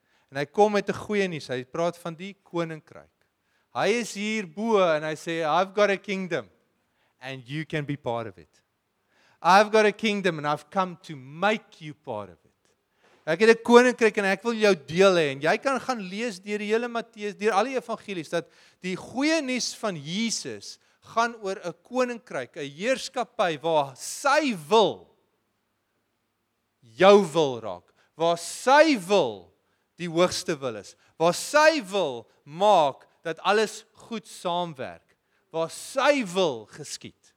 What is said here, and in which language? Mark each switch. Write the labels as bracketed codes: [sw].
[af] En hy kom met 'n goeie nuus. Hy praat van die koninkryk. Hy is hier bo en hy sê, [en] "I've got a kingdom and you can be part of it. I've got a kingdom and I've come to make you part of it." [af] Ek het 'n koninkryk en ek wil jou deel hê en jy kan gaan lees deur die hele Matteus, deur al die evangelies dat die goeie nuus van Jesus gaan oor 'n koninkryk, 'n heerskappy waar sy wil jou wil raak, waar sy wil die hoogste wil is, waar sy wil maak dat alles goed saamwerk, waar sy wil geskied.